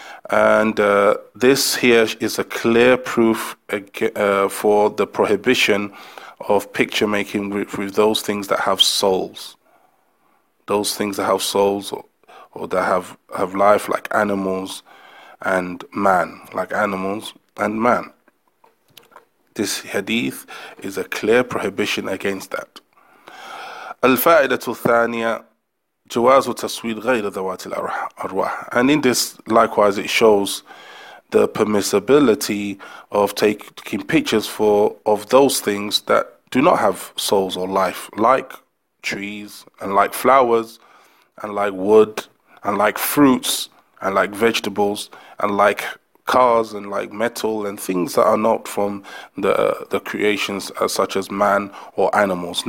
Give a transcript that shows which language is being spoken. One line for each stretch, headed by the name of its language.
English: And this here is a clear proof for the prohibition of picture making with those things that have souls. Those things that have souls or that have life, like animals and man. Like animals and man. This hadith is a clear prohibition against that.
Arabic: Al-fa'idatul thaniya, جواز تصوير غير ذوات الأرواح.
English: And in this, likewise, it shows the permissibility of taking pictures of those things that do not have souls or life, like trees and like flowers and like wood and like fruits and like vegetables and like cars and like metal and things that are not from the creations such as man or animals.